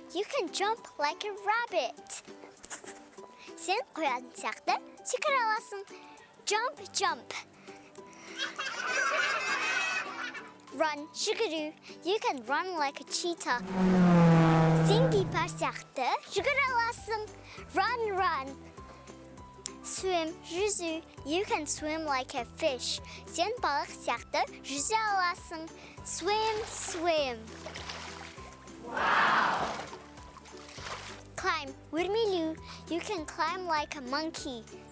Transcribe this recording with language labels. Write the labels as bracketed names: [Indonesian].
[English] You can jump like a rabbit. [Kazakh] Сен қоян сияқты секіре аласың. [English] Jump, jump. Run, [Kazakh] жүгіру. [English] You can run like a cheetah. [Kazakh] Сен кипар сияқты жүгіре аласың. [English] Run, run. Swim, [Kazakh] жүзу. [English] You can swim like a fish. [Kazakh] Сен балық сияқты жүзе аласың. [English] Swim, swim. Wow! Climb, [Kazakh] өрмелеу. [English] You can climb like a monkey.